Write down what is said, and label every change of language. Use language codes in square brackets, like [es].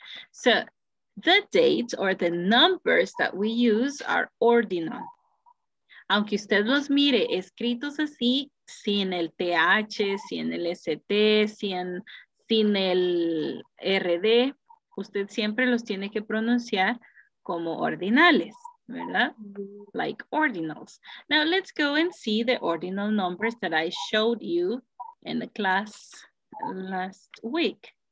[en] So the dates or the numbers that we use are ordinal. [es] Aunque usted los mire escritos así, sin el TH, sin el ST, sin el RD, usted siempre los tiene que pronunciar como ordinales, ¿verdad? [en] Like ordinals. Now let's go and see the ordinal numbers that I showed you in the class last week.